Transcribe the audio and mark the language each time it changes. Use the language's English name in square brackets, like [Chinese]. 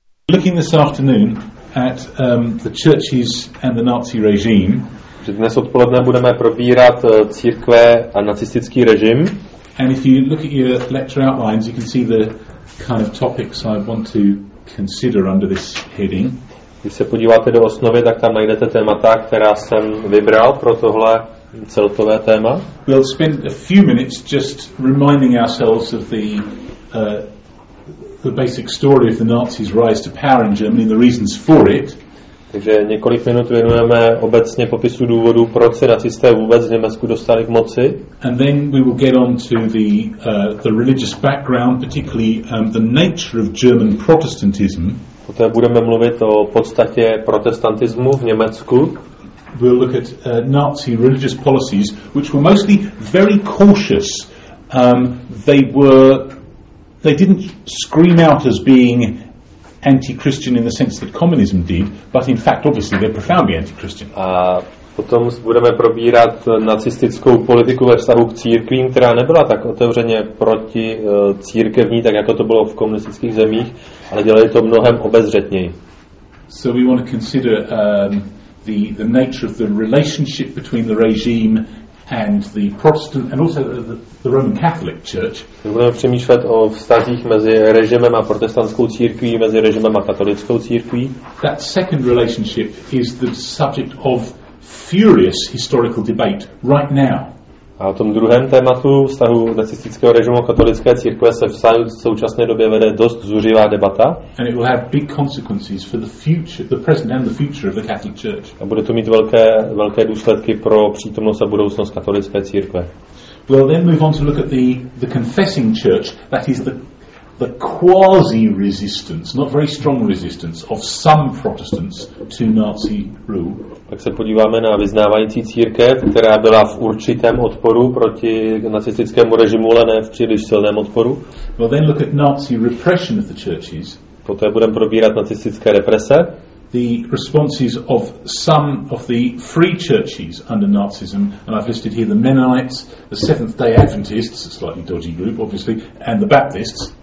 [English] Looking this afternoon at the churches and the Nazi regime. [Czech] Dnes odpoledne budeme probírat církve a nacistický režim. [English] And if you look at your lecture outlines, you can see the kind of topics I want to consider under this heading. [Czech] Když se podíváte do osnovy, tak tam najdete témata, která jsem vybral pro tohle celkové téma. [English] We'll spend a few minutes just reminding ourselves of the basic story of the Nazis' rise to power in Germany and the reasons for it. [Czech] Takže několik minut věnujeme obecně popisu důvodů, proč se nacisté vůbec v Německu dostali k moci. [English] And then we will get on to the religious background, particularly the nature of German Protestantism. [Czech] Poté budeme mluvit o podstatě protestantismu v Německu. [English] We'll look at Nazi religious policies, which were mostly very cautious. They didn't scream out as being anti-Christian in the sense that communism did, but in fact, obviously, they're profoundly anti-Christian. [Czech] A potom budeme probírat nacistickou politiku ve vztahu k církvím, která nebyla tak otevřeně proti církevní, tak jako to bylo v komunistických zemích, ale dělali to mnohem obezřetněji. [English] So we want to consider the nature of the relationship between the regime and the Protestant and also the Roman Catholic Church. [Czech] Budeme přemýšlet o vztazích mezi režimem a protestantskou církví, mezi režimem a katolickou církví. [English] That second relationship is the subject of furious historical debate right now. [Czech] A o tom druhém tématu, vztahu nacistického režimu a katolické církve, se v současné době vede dost zuřivá debata. [English] And it will have big consequences for the future, the present and the future of the Catholic Church. [Czech] A bude to mít velké důsledky pro přítomnost a budoucnost katolické církve. [English] We'll then move on to look at the confessing church, that is the quasi resistance, not very strong resistance, of some Protestants to Nazi rule. [Czech] Tak se podíváme na vyznávající církev, která byla v určitém odporu proti nacistickému režimu, ale ne v příliš silném odporu. [English] Well, then look at Nazi repression of the churches. [Czech] Poté budeme probírat nacistické represe. [English] The responses of some of the free churches under Nazism, and I've listed here the Mennonites, the Seventh-day Adventists, a slightly dodgy group, obviously, and the Baptists.